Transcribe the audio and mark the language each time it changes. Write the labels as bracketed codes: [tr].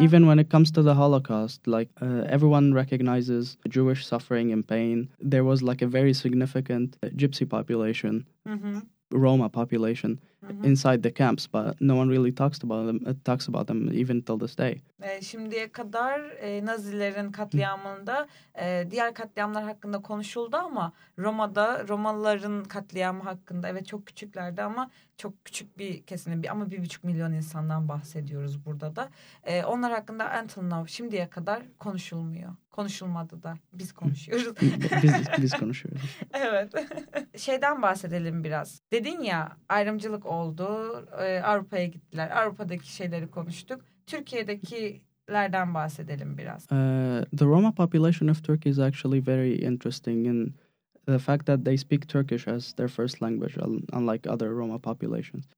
[en] Even when it comes to the Holocaust, like everyone recognizes Jewish suffering and pain. There was like a very significant Gypsy population, Roma population inside the camps, but no one really talks about them even till this day. [tr] Şimdiye kadar Nazilerin katliamında diğer katliamlar hakkında konuşuldu ama Roma'da Romalıların katliamı hakkında evet çok küçüklerdi ama çok küçük bir kesimin ama 1.5 milyon insandan bahsediyoruz burada da. Onlar hakkında [en] until now [tr] şimdiye kadar konuşulmuyor. Konuşulmadı da biz konuşuyoruz. biz konuşuyoruz. Evet. Şeyden bahsedelim biraz. Dedin ya ayrımcılık oldu. Avrupa'ya gittiler. Avrupa'daki şeyleri konuştuk. Türkiye'dekilerden bahsedelim biraz. [en] The Roma population of Turkey is actually very interesting in the fact that they speak Turkish as their first language, unlike other Roma populations.